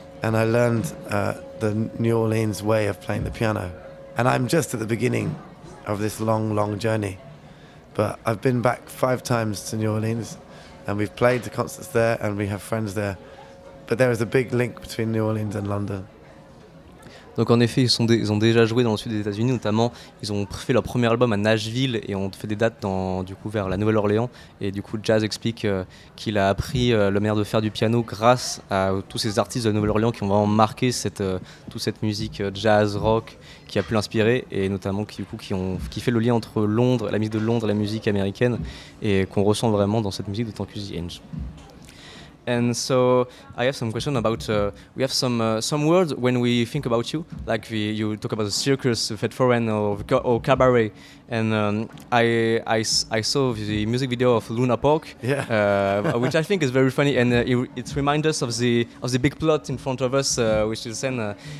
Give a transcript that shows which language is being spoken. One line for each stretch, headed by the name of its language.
English: And I learned the New Orleans way of playing the piano. And I'm just at the beginning of this long, long journey, but I've been back 5 times to New Orleans. And we've played the concerts there, and we have friends there. But there is a big link between New Orleans and London.
French: Donc en effet, ils ont déjà joué dans le sud des États-Unis, notamment ils ont fait leur premier album à Nashville et ont fait des dates dans, du coup, vers la Nouvelle-Orléans. Et du coup, Jazz explique qu'il a appris le meilleur de faire du piano grâce à tous ces artistes de la Nouvelle-Orléans qui ont vraiment marqué toute cette musique jazz, rock, qui a pu l'inspirer et notamment qui fait le lien entre Londres, la musique de Londres et la musique américaine et qu'on ressent vraiment dans cette musique de Tanku Zhienge.
English: And so I have some question about we have some words when we think about you, like you talk about the circus, the Fête Foraine, or cabaret, and I saw the music video of Luna Park, which I think is very funny, and it reminds us of the big plot in front of us, which is Senna.